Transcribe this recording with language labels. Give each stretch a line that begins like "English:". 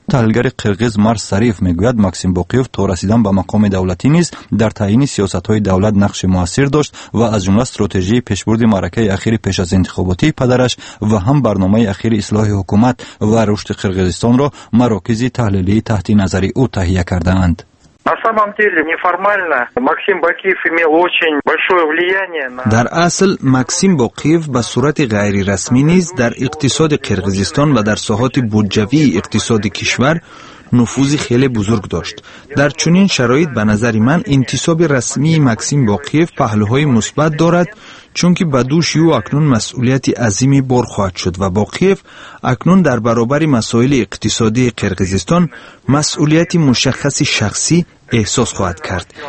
Persian: تحلیلگر قرغیز مرس سریف میگوید مکسیم باقیف تا رسیدن به مقام دولتی نیز در تعیین سیاستهای دولت نقش موثر داشت و از جمله استراتژی پیشبرد معرکه اخیر پیش از انتخاباتی پدرش و هم برنامه اخیر اصلاح حکومت و رشد قرغیزستان را مراکز تحلیلی تحت نظر او تهیه کرده اند.
Russian: На самом деле, неформально Максим Бакиев имел очень большое влияние на
Persian: در اصل Максим Бакиев به صورت غیر رسمی نیز در اقتصاد قرغیزستان و در ساحات بودجوی اقتصاد کشور نفوذی خیلی بزرگ داشت. در چنین شرایط به نظر من انتصاب رسمی مکسیم باقیف پهلوهای مثبت دارد، چون که به دوش او اکنون مسئولیت عظیمی بار خواهد شد و باقیف اکنون در برابر مسائل اقتصادی قرغیزستان مسئولیت مشخص شخصی احساس خواهد کرد.